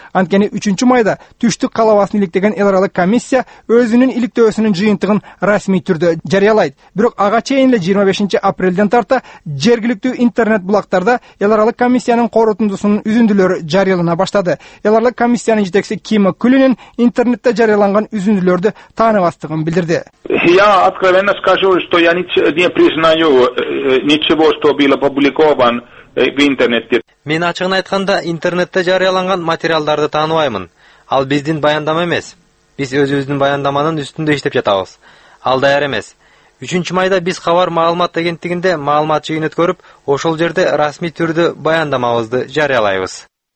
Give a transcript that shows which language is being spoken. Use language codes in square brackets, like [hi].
[ky] Анткени 3 майда түштүк калабасын иликтеген эл аралык комиссия өзүнүн иликтөөсүнүн жыйынтыгын расмий түрдө жарыялайт. Бирок ага чейин эле 25 апрелден тарта жергиликтүү интернет булактарда эл аралык комиссиянын корутундусунун үзүндүлөрү жарыялана баштады. Эл аралык комиссиянын жетекчиси Кима Күлүнүн интернетте жарыяланган үзүндүлөрдү тааныбастыгын билдирди. [ru] Я откровенно скажу, что я не признаю ничего, что было опубликовано в интернете. [ky] Мен ачыгын айтканда интернетте жарыяланган материалдарды тааныбаймын. Ал биздин баяндама эмес. Биз өзүбүздүн баяндаманын үстүндө иштеп жатабыз. Ал даяр эмес. 3 майда биз Хабар маалымат агенттигинде маалымат жыйын өткөрүп, ошол жерде расмий түрдө баяндамабызды жарыялайбыз.